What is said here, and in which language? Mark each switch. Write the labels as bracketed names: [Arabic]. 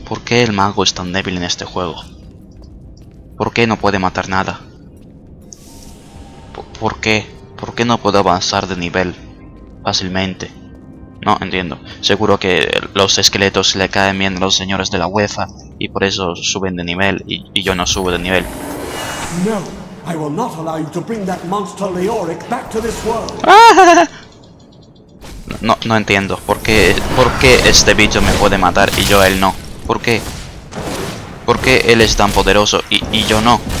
[Spanish] ¿Por qué el mago es tan débil en este juego? ¿Por qué no puede matar nada? ¿Por qué? ¿Por qué no puedo avanzar de nivel fácilmente? No entiendo. Seguro que los esqueletos le caen bien a los señores de la UEFA y por eso suben de nivel y yo no subo de nivel. No. [English] I will not allow you to bring that monster Leoric back to this world. [Spanish] No entiendo por qué este bicho me puede matar y yo a él no. ¿Por qué él es tan poderoso y yo no?